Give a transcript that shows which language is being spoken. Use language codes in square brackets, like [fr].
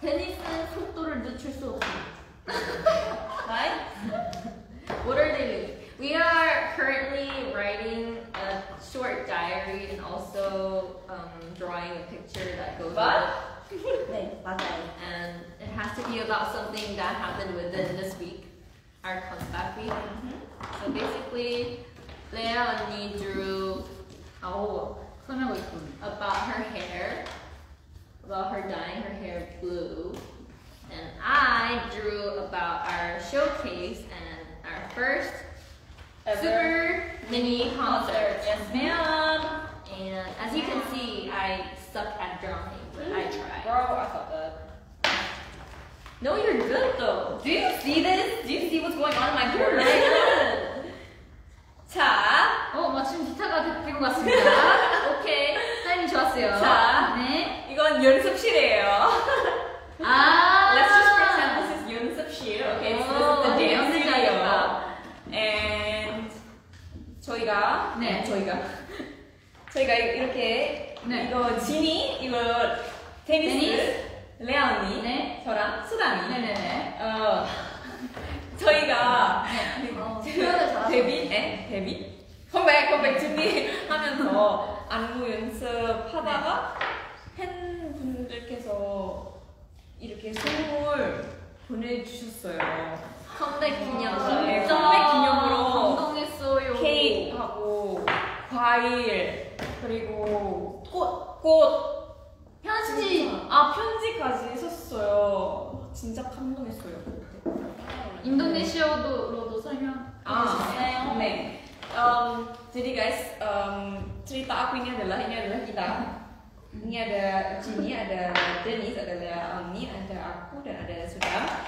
[ko] 데니스는 속도를 늦출 수 없어요. [en] Right? What are they doing? We are currently writing a short diary and also drawing a picture that goes with [ko] it. 네, 맞아요. [en] And it has to be about something that happened within this week, our comeback week. Mm-hmm. So basically, Lea 언니 drew. [ko] Oh. 설명을 좀 [en] about her hair, about her dyeing her hair blue, and I drew about our showcase and our first ever super mini concert. Yes, ma'am. And as ma'am. You can see, I suck at drawing, but I try. Bro, I thought that. No, you're good though. Do you see this? Do you see what's going on in my hair? [ko] 자, 마침 기타가 된 것 같습니다. 오케이, 타이밍 좋았어요. 자, 네, 이건 연습실이에요. 아, [en] let's just pretend this is 연습실, okay? So this is the dance studio. [ko] And 저희가, 네, 저희가 이렇게, 네, 이거 지니, 이거 데니스, 레아 언니, 네, 저랑 수담이, 네네네, 저희가 데뷔, 네, 데뷔. 컴백 준비하면서 안무 연습하다가 팬분들께서 이렇게 선물 보내주셨어요. 컴백 기념으로. 네, 컴백 기념으로. 감동했어요. 케이크하고 과일 그리고 꽃. 편지. 아 편지까지 썼어요. 진짜 감동했어요. 인도네시아어로도 설명해주세요. 아, 네. [id] Jadi guys, cerita aku ini adalah kita. Ini ada Jinny, ada Denise, ada Lea Omni, ada aku, dan ada Sudam.